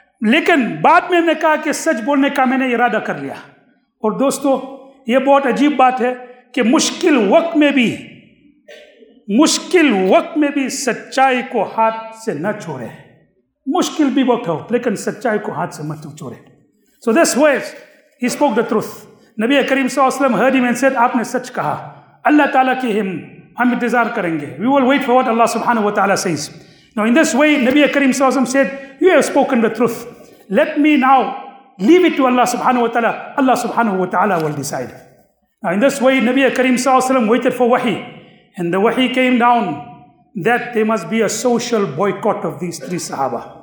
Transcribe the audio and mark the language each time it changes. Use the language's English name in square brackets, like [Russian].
[Urdu] لیکن بعد میں نے کہا کہ سچ بولنے کا میں نے ارادہ کر لیا. اور دوستو, یہ بہت عجیب بات ہے کہ مشکل وقت میں بھی سچائی کو ہاتھ سے نہ چھوڑے. مشکل بھی وقت ہو لیکن سچائی کو ہاتھ سے مت چھوڑے. [English] So this ways he spoke the truth. [Urdu] نبی کریم صلی اللہ علیہ وسلم [English] heard him and said, [Urdu] آپ نے سچ کہا. اللہ تعالیٰ کی ہم انتظار کریں گے. [English] We will wait for what Allah سبحانہ و تعالیٰ says. Now in this way, Nabi Kareem sallallahu alayhi wa sallam said, you have spoken the truth. Let me now leave it to Allah subhanahu wa ta'ala. Allah subhanahu wa ta'ala will decide. Now in this way, Nabi Kareem sallallahu alayhi wa sallam waited for wahi. And the wahi came down that there must be a social boycott of these three sahaba.